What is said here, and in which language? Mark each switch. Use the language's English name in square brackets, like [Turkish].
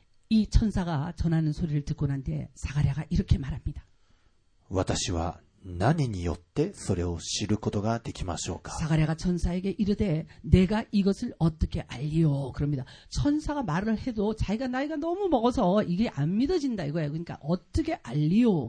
[Korean] 이 천사가 전하는 소리를 듣고 난 뒤에 사가랴가 이렇게 말합니다. [Japanese] 私は 何によってそれを知ることができましょうか? [Korean] 사가랴가 천사에게 이르되 내가 이것을 어떻게 알리오? 그럽니다. 천사가 말을 해도 자기가 나이가 너무 먹어서 이게 안 믿어진다 이거예요. 그러니까 어떻게 알리오?